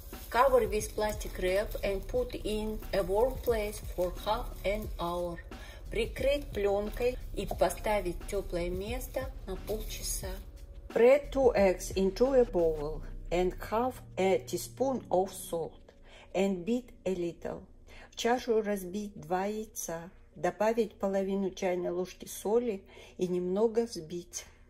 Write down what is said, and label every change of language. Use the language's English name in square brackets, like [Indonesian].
[English] Cover with plastic wrap and put in a warm place for half an hour. [Russian] Прикрыть пленкой и поставить теплое место на полчаса. [English] Spread 2 eggs into a bowl and half a teaspoon of salt and beat a little. [Russian] В чашу разбить 2 яйца, добавить половину чайной ложки соли и немного взбить.